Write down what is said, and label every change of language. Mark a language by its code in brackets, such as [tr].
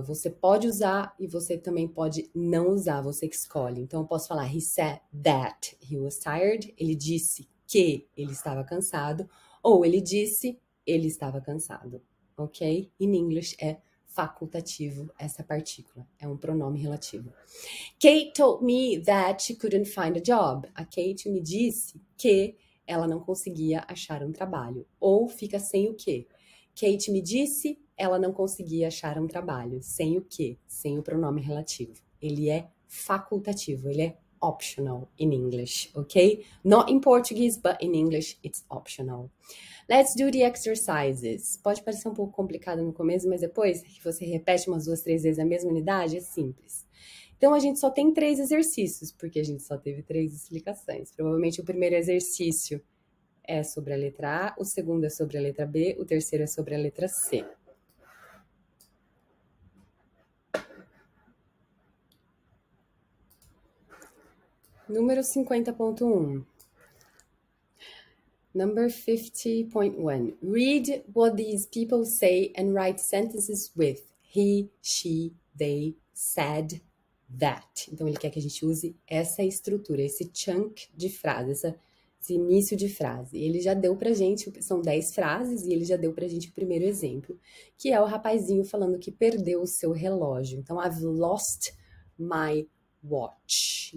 [pt] Você pode usar e você também pode não usar, você que escolhe. Então eu posso falar [en] he said that he was tired. [pt] Ele disse que ele estava cansado. Ou ele disse. Ele estava cansado. Ok? In English é facultativo essa partícula, é um pronome relativo. [en] Kate told me that she couldn't find a job. [pt] A Kate me disse que ela não conseguia achar um trabalho. Ou fica sem o quê? Kate me disse ela não conseguia achar um trabalho. Sem o quê? Sem o pronome relativo. Ele é facultativo, ele é [en] optional in English, [pt] ok? [en] Not in Portuguese, but in English it's optional. Let's do the exercises. [pt] Pode parecer um pouco complicado no começo, mas depois que você repete umas duas, três vezes a mesma unidade, é simples. Então a gente só tem três exercícios, porque a gente só teve três explicações. Provavelmente o primeiro exercício é sobre a letra A, o segundo é sobre a letra B, o terceiro é sobre a letra C. Número 50.1. [en] Number 50.1. Read what these people say and write sentences with he, she, they, said, that. [pt] Então, ele quer que a gente use essa estrutura, esse chunk de frase, esse início de frase. Ele já deu pra gente, são 10 frases, e ele já deu pra gente o primeiro exemplo, que é o rapazinho falando que perdeu o seu relógio. [en] Então, I've lost my watch.